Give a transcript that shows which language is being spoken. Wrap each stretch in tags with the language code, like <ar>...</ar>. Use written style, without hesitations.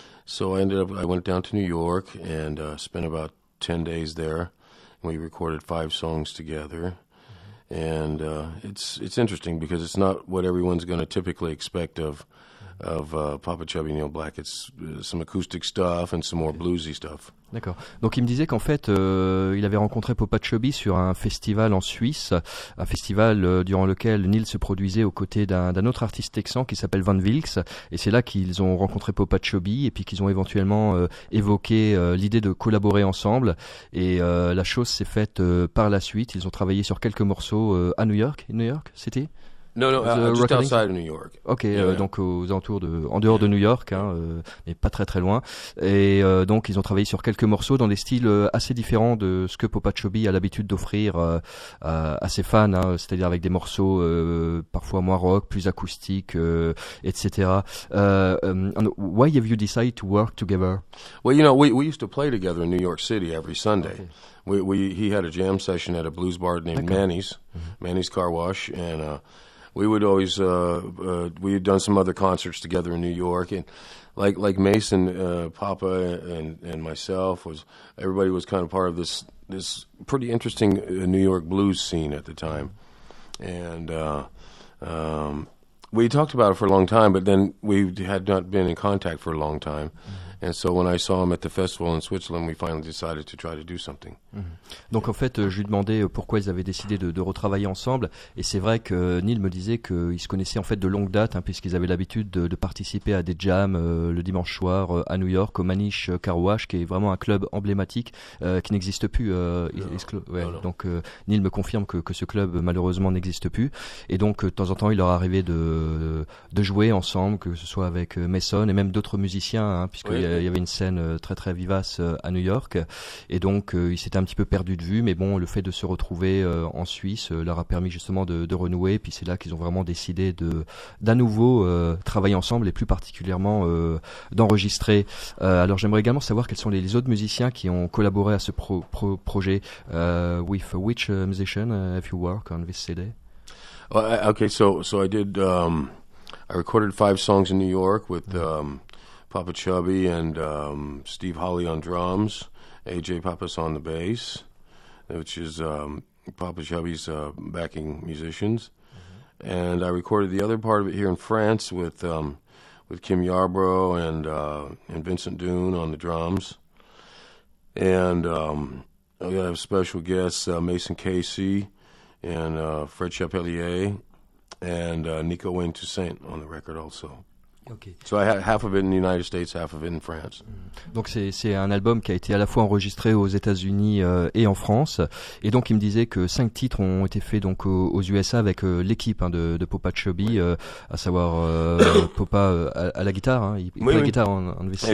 <en>So I went down to New York and spent about 10 days there. We recorded 5 songs together. Mm-hmm. And it's interesting because it's not what everyone's going to typically expect of Papa Chubby and Neil Black. It's some acoustic stuff and some more bluesy stuff.</en> <fr>D'accord. Donc il me disait qu'en fait, il avait rencontré Papa Chubby sur un festival en Suisse, un festival durant lequel Neil se produisait aux côtés d'un autre artiste texan qui s'appelle Van Wilkes. Et c'est là qu'ils ont rencontré Papa Chubby et puis qu'ils ont éventuellement évoqué l'idée de collaborer ensemble. Et la chose s'est faite par la suite. Ils ont travaillé sur quelques morceaux à New York. New York, c'était ?</fr> <en>Just outside of New York. Ok, yeah, yeah.</en> <fr>Donc aux alentours en dehors de New York, hein, mais pas très très loin. Et donc ils ont travaillé sur quelques morceaux dans des styles assez différents de ce que Papa Chubby a l'habitude d'offrir à ses fans, hein, c'est-à-dire avec des morceaux parfois moins rock, plus acoustiques, etc.</fr> <en>Why have you decided to work together? Well, you know, we used to play together in New York City every Sunday. Okay. He had a jam session at a blues bar named Manny's, mm-hmm. Manny's Car Wash, and we would always we had done some other concerts together in New York, and like Mason, Papa, and myself, was everybody was kind of part of this pretty interesting New York blues scene at the time, and we talked about it for a long time, but then we had not been in contact for a long time. Mm-hmm. And so when I saw him at the festival in Switzerland, we finally decided to try to do something.</en> <fr>Donc en fait, je lui demandais pourquoi ils avaient décidé de retravailler ensemble. Et c'est vrai que Neil me disait qu'ils se connaissaient en fait de longue date, hein, puisqu'ils avaient l'habitude de participer à des jams le dimanche soir à New York, au Manish Car Wash, qui est vraiment un club emblématique qui n'existe plus. Donc Neil me confirme que ce club malheureusement n'existe plus. Et donc de temps en temps, il leur arrivait de jouer ensemble, que ce soit avec Mason et même d'autres musiciens, hein, puisque il y avait une scène très très vivace à New York. Et donc ils s'étaient un petit peu perdus de vue, mais bon, le fait de se retrouver en Suisse leur a permis justement de renouer. Puis c'est là qu'ils ont vraiment décidé d'à nouveau travailler ensemble, et plus particulièrement d'enregistrer. Alors j'aimerais également savoir quels sont les autres musiciens qui ont collaboré à ce projet.</fr> <en>With which musician have you worked on this CD? I recorded 5 songs in New York with Papa Chubby and Steve Holly on drums, AJ Pappas on the bass, which is Papa Chubby's backing musicians. Mm-hmm. And I recorded the other part of it here in France with Kim Yarbrough and Vincent Dune on the drums. And I have special guests, Mason Casey and Fred Chapelier and Nico Wayne Toussaint on the record also. Okay. So I had half of it in the United States, half of it in France.</en> <fr>Donc c'est un album qui a été à la fois enregistré aux États-Unis et en France. Et donc il me disait que 5 titres ont été faits donc aux USA avec l'équipe, hein, de Papa Chubby, oui. À savoir Papa à la guitare, hein. Oui. La guitare en VCD.</fr>